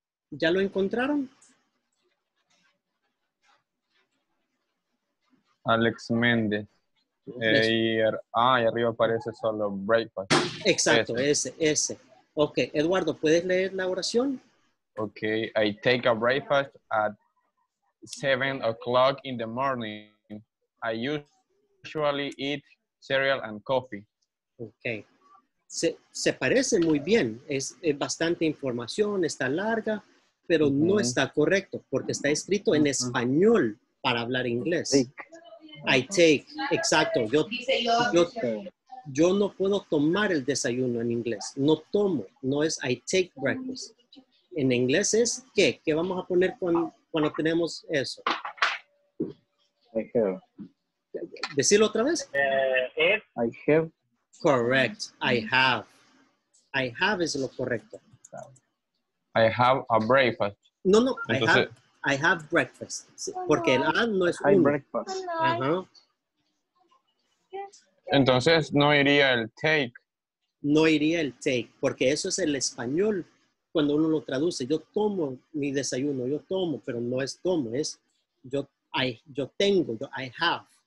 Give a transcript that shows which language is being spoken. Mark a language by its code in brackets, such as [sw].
[es] ¿Ya lo encontraron? Alex Méndez. Y arriba aparece solo breakfast. Exacto, ese. Ok, Eduardo, ¿puedes leer la oración? [en] Ok, I take a breakfast at 7:00 in the morning. I usually eat cereal and coffee. Ok. [es] Se parece muy bien, es bastante información, está larga, pero uh-huh. No está correcto, porque está escrito en español para hablar inglés. I take, exacto, yo no puedo tomar el desayuno en inglés, no tomo, no es I take breakfast. En inglés es, ¿qué? ¿Qué vamos a poner cuando tenemos eso? Decirlo otra vez. [en] I have. Correct. I have. I have es lo correcto. I have a breakfast. [es] No, no. [en] Entonces, I have breakfast. [es] Porque el have no es uno. [en] I have breakfast. Uh-huh. [es] Entonces, no iría el take. No iría el take. Porque eso es el español cuando uno lo traduce. Yo tomo mi desayuno. Yo tomo, pero no es tomo. Es yo, I, yo tengo. Yo, I have.